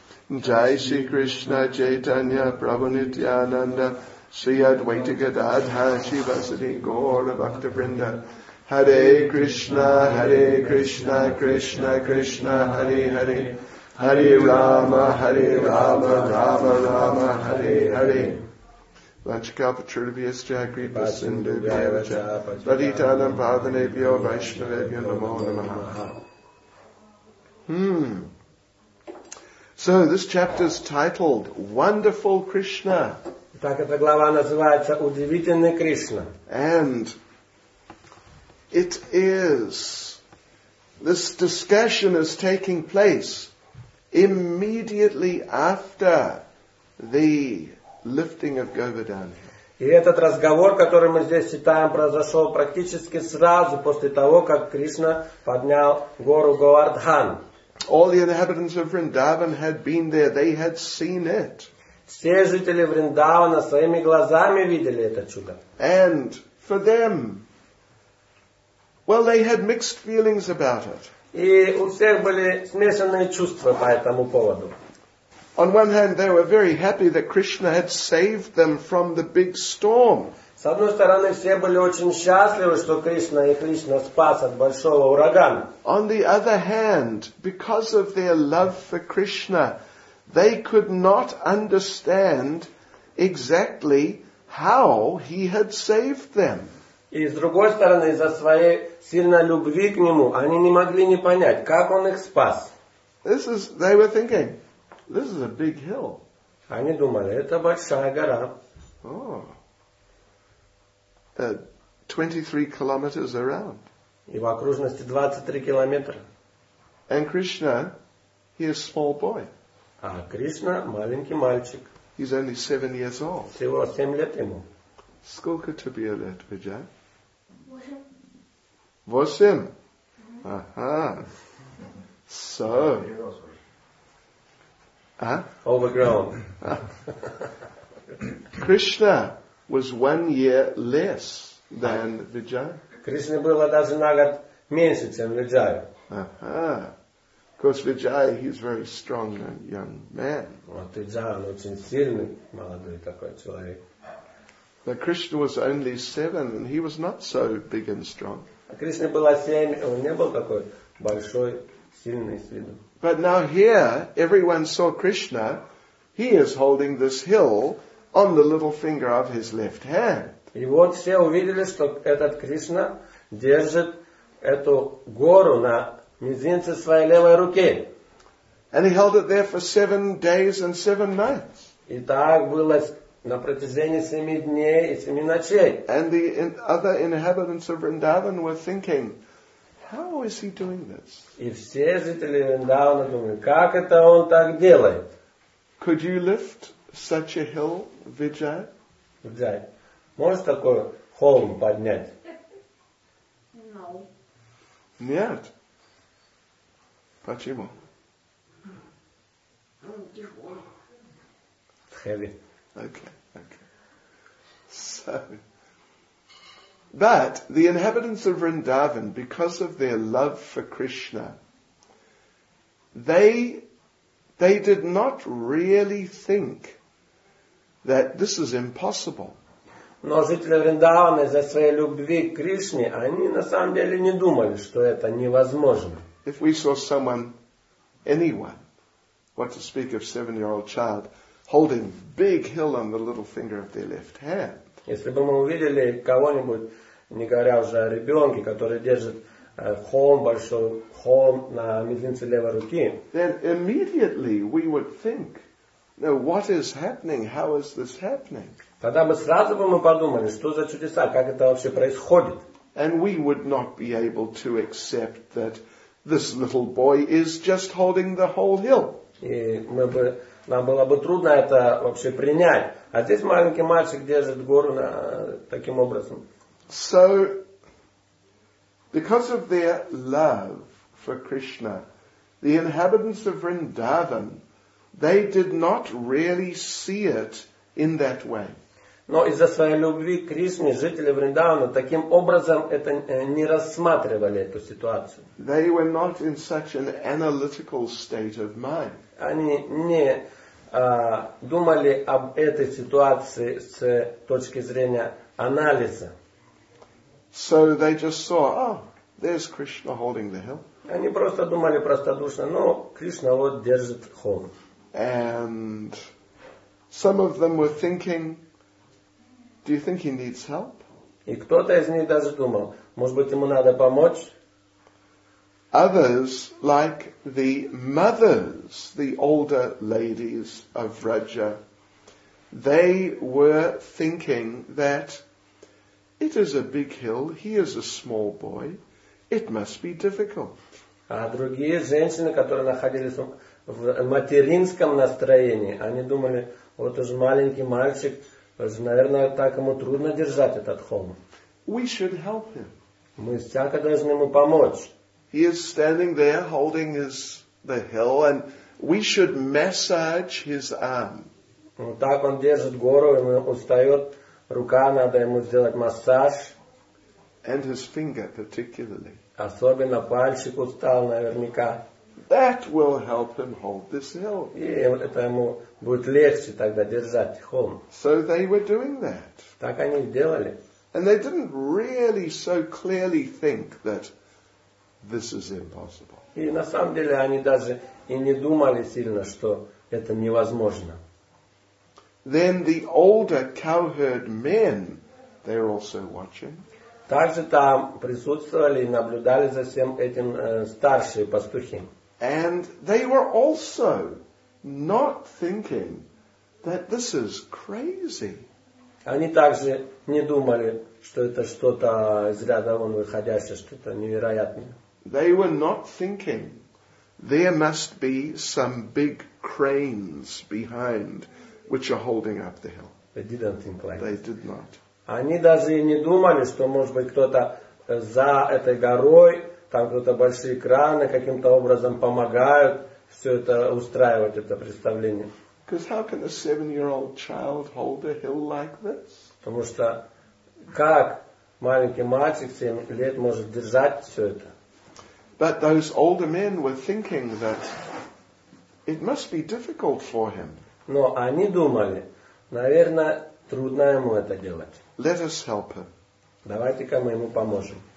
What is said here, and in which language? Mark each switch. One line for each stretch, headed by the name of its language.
Sanskrit: Jai Shri Krishna Chaitanya Prabhu Nityananda Sri Advaita Gadadhara Shivasati Gaura Bhakta Vrinda Hare Krishna Hare Krishna Krishna Krishna Hare Hare Hare Rama Rama Rama Hare Hare Vanchakalpa Churubhyasya Kripa Sindhu Vyavacha Vaditanam Bhavanebhyo Vaishnavebhyo Namo Namaha.
English: So this chapter is titled Wonderful Krishna.
Russian: Так эта глава называется Удивительный Кришна.
English: And it is, this discussion is taking place immediately after the lifting of Govardhana.
Russian: И этот разговор, который мы здесь читаем, произошел практически сразу после того, как Кришна поднял гору Говардхан.
English: All the inhabitants of Vrindavan had been there. They had seen it.
Russian: Все жители Вриндавана своими глазами видели это чудо.
English: And for them, well, they had mixed feelings about it.
Russian: И у всех были смешанные чувства по этому поводу.
English: On one hand, they were very happy that Krishna had saved them from the big storm.
Russian: С одной стороны, все были очень счастливы, что Кришна их лично спас от большого урагана.
English: On the other hand, because of their love for Krishna, they could not understand exactly how he had saved them.
Russian: И с другой стороны, из-за своей сильной любви к нему, они не могли не понять, как он их спас.
English: They were thinking, this is a big hill.
Russian: Они думали, это большая гора.
English: Oh. 23 kilometers around.
Russian: И в окружности 23 километра.
English: And Krishna, he is a small boy.
Russian: А Кришна маленький мальчик.
English: He's only 7 years old.
Russian: Всего 7 лет ему. Сколько тебе лет, Виджай? 8. Ага. So.
English: Overgrown. Krishna was 1 year less than Vijay.
Russian: Krishna было даже на год меньше, чем Vijay.
English: Of course, Vijay, he's very strong and young man.
Russian: Вот Vijay, он очень сильный, молодой такой человек.
English: But Krishna was only 7, and he was not so big and strong.
Russian: А Кришна было 7, он не был такой большой, сильный с виду.
English: But now here, everyone saw Krishna. He is holding this hill on the little finger of his left hand.
Russian: И вот все увидели, что этот Кришна держит эту гору на мизинце своей левой руки.
English: And he held it there for 7 days and 7 nights.
Russian: И так было на протяжении 7 дней и 7 ночей.
English: And the other inhabitants of Vrindavan were thinking, how is he doing this?
Russian: И все жители Вриндавана думали, как это он так делает?
English: Could you lift such a hill, Vijay?
Russian: Vijay, можешь такой холм поднять?
English: No.
Russian: Нет. Почему?
English: It's heavy. Okay. So, but the inhabitants of Vrindavan, because of their love for Krishna, they did not really think that this is impossible.
Russian: Но жители Вриндавана из-за своей любви к Кришне, они на самом деле не думали, что это невозможно.
English: If we saw someone, anyone, what to speak of 7-year-old child, holding big hill on the little finger of their left hand.
Russian: Если бы мы увидели кого-нибудь, не говоря уже о ребенке, который держит холм, большой холм на мизинце левой руки,
English: then immediately we would think, now, what is happening? How is this happening?
Russian: Тогда мы сразу бы мы подумали, что за чудеса, как это вообще происходит?
English: And we would not be able to accept that This little boy is just holding the whole hill.
Russian: И мы бы, нам было бы трудно это вообще принять. А здесь маленький мальчик держит гору на, таким образом.
English: So, because of their love for Krishna, the inhabitants of Vrindavan, they did not really see it in that way.
Russian: Но из-за своей любви к Кришне жители Вриндавана таким образом это не рассматривали эту ситуацию.
English: They were not in such an analytical state of mind.
Russian: Они не думали об этой ситуации с точки зрения анализа.
English: So they just saw, oh, there's Krishna holding the hill.
Russian: Они просто думали простодушно, ну, Кришна вот держит холм.
English: And some of them were thinking, do you think he needs help?
Russian: И кто-то из них даже думал, может быть, ему надо помочь?
English: Others, like the mothers, the older ladies of Raja, they were thinking that it is a big hill, he is a small boy, it must be difficult.
Russian: А другие женщины, которые находились в материнском настроении, они думали, вот уж маленький мальчик, наверное, так ему трудно держать этот холм.
English: We should help him.
Russian: Мы всяко должны ему помочь.
English: He is standing there holding his the hill, and we should massage his arm.
Russian: Так он держит гору, ему устает рука, надо ему сделать массаж.
English: And his finger particularly.
Russian: Особенно пальчик устал наверняка.
English: That will help him hold this hill.
Russian: И это ему будет легче тогда держать холм.
English: So they were doing that.
Russian: Так они делали.
English: And they didn't really so clearly think that this is impossible.
Russian: И на самом деле они даже и не думали сильно, что это невозможно.
English: Then the older cowherd men, they're also watching.
Russian: Также там присутствовали и наблюдали за всем этим старшие пастухи.
English: And they were also not thinking that this is crazy.
Russian: Они также не думали, что это что-то из ряда вон выходящее, что-то невероятное.
English: They were not thinking there must be some big cranes behind which are holding up the hill. They didn't think like that. They did not.
Russian: Они даже и не думали, что может быть кто-то за этой горой, там кто-то большие краны каким-то образом помогают все это устраивать, это представление.
English: Because how can a seven-year-old child hold a hill like this?
Russian: Потому что как маленький мальчик 7 лет может держать все это?
English: But those older men were thinking that it must be difficult for him.
Russian: Но они думали, наверное, трудно ему это делать.
English: Let us help him.
Russian: Давайте-ка мы ему поможем.